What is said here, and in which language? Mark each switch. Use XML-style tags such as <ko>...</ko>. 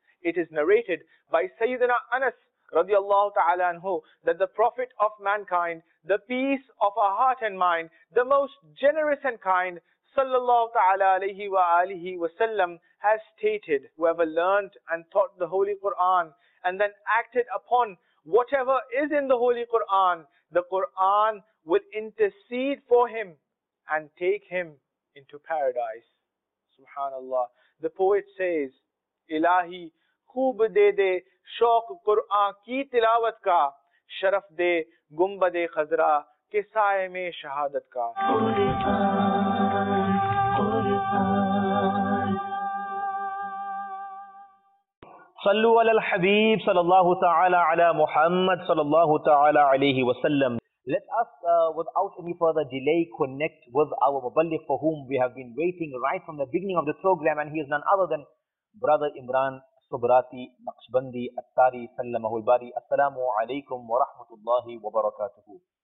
<en>It is narrated by Sayyidina Anas radiallahu ta'ala anhu that the Prophet of mankind, the peace of our heart and mind, the most generous and kind, sallallahu ta'ala alayhi wa alihi wa sallam, has stated, whoever learnt and taught the Holy Quran and then acted upon whatever is in the Holy Quran, the Quran will intercede for him and take him into paradise. Subhanallah. The poet says,</en> <ur>الہی خوب دے دے شوق قرآن کی تلاوت کا شرف دے گنبد خضرا کے سائے میں شہادت کا</ur> <ar>صلو علی الحبیب صلی اللہ تعالی علی محمد صلی اللہ تعالی علیہ وسلم.</ar> <en>Let us, without any further delay, connect with our Muballigh for whom we have been waiting right from the beginning of the program, and he is none other than Brother Imran Subrati Naqshbandi Attari Sallamahu al-Bari.</en> <ar>Assalamu alaikum wa rahmatullahi wa barakatuhu.</ar>